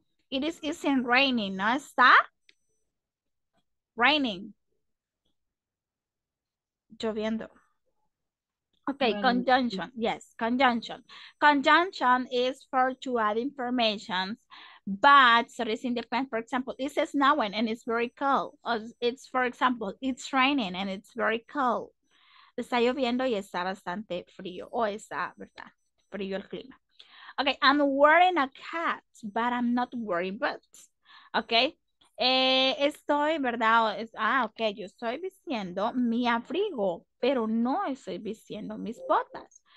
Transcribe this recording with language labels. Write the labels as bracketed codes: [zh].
[en] It is isn't raining, [es] no está [en] raining, lloviendo. Okay, raining. Conjunction, yes, conjunction. Conjunction is for to add information, but so it's independent. For example, it says snowing and it's very cold. It's, for example, it's raining and it's very cold. [es] Está lloviendo y está bastante frío, o está, verdad, frío el clima. [en] Okay, I'm wearing a cat, but I'm not wearing boots. [es] Okay, estoy, ¿verdad? Okay, yo estoy vistiendo mi abrigo, pero no estoy vistiendo mis botas.